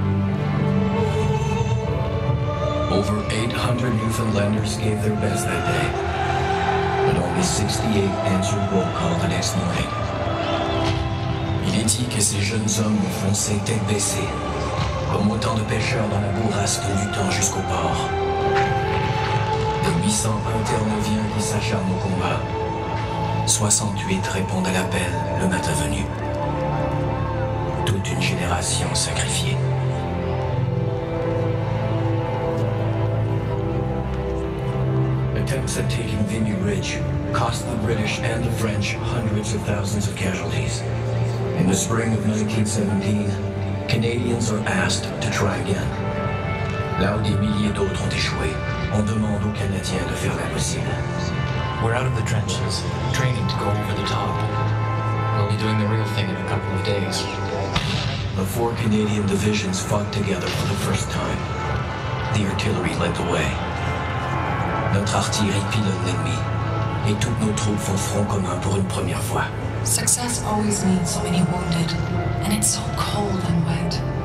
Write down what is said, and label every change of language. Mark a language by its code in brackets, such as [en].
[en] Over 800 Newfoundlanders gave their best that day, but only 68 answered roll call the next morning. [fr] Il est dit que ces jeunes hommes ont foncé tête baissée, comme autant de pêcheurs dans la bourrasque du temps jusqu'au port. Les 800 interneviens qui s'acharnent au combat, 68 répondent à l'appel le matin venu. Toute une génération sacrifiée. [en] Attempts at taking Vimy Ridge cost the British and the French hundreds of thousands of casualties. In the spring of 1917, Canadians are asked to try again. [fr] Là où des milliers d'autres ont échoué, on demande aux Canadiens de faire l'impossible. [en] We're out of the trenches, training to go over the top. We'll be doing the real thing in a couple of days. The four Canadian divisions fought together for the first time. The artillery led the way. [fr] Notre artillerie pilonne l'ennemi, et toutes nos troupes font front commun pour une première fois. [en] Success always means so many wounded, and it's so cold and wet.